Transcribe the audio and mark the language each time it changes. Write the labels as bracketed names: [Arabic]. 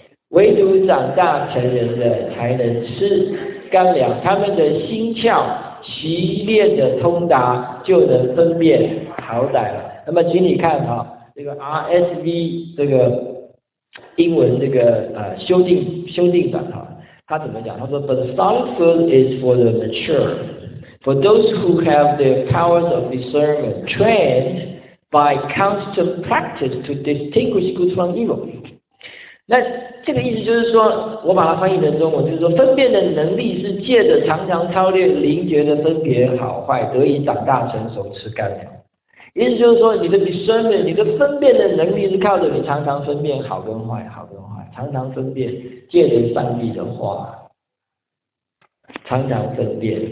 [Chinese] 唯独长大成人的才能吃干粮，他们的心窍习练的通达，就能分辨好歹了。那么，请你看哈，这个 RSV 这个英文这个修订版哈，他怎么讲？ [English] 他说 ："But the solid food is for the mature, for those who have the powers of discernment trained by constant practice to distinguish good from evil." [Chinese] 那这个意思就是说，我把它翻译成中文，就是说分辨的能力是借着常常操练灵觉的分别好坏，得以长大成熟吃干粮。意思就是说，你的 discernment， 你的分辨的能力是靠着你常常分辨好跟坏，好跟坏，常常分辨，借着上帝的话，常常分辨。